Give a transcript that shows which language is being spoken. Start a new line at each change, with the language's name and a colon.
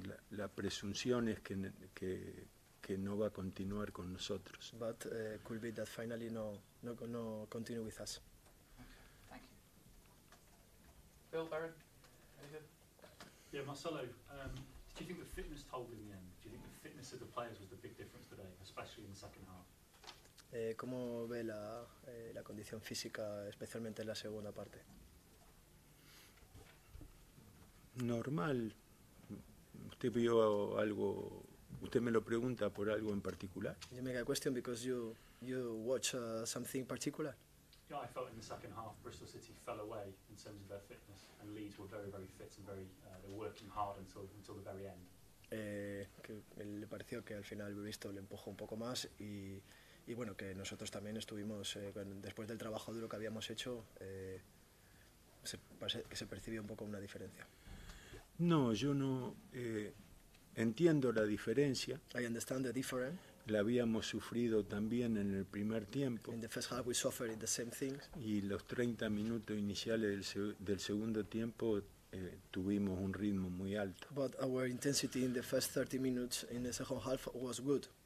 Spanish: La presunción es que no va a continuar con nosotros.
English: But could be that finally no continue with us. Okay, thank you. Phil, Barry, anything? Yeah, Marcelo. Do you think the fitness told in the end? Do you think the fitness of the players was the big difference today, especially in the second half?
Spanish: ¿Cómo ve la condición física, especialmente en la segunda parte? Normal. ¿Usted vio algo? ¿Usted me lo pregunta por algo en particular?
English: You make a question because you watch something particular. Yeah, I felt in the second half Bristol City fell away in terms of their fitness, and Leeds were very, very fit and very they were working hard until the very end.
Spanish: Que le pareció que al final Bristol le empujó un poco más y bueno que nosotros también estuvimos después del trabajo duro que habíamos hecho se percibió un poco una diferencia. No, yo no. Entiendo la diferencia.
English: I understand the difference.
Spanish: La habíamos sufrido también en el primer tiempo.
English: In the first half we suffered the same things.
Spanish: Y los 30 minutos iniciales del segundo tiempo tuvimos un ritmo muy alto.
English: But our intensity in the first 30 minutes in the second half was good.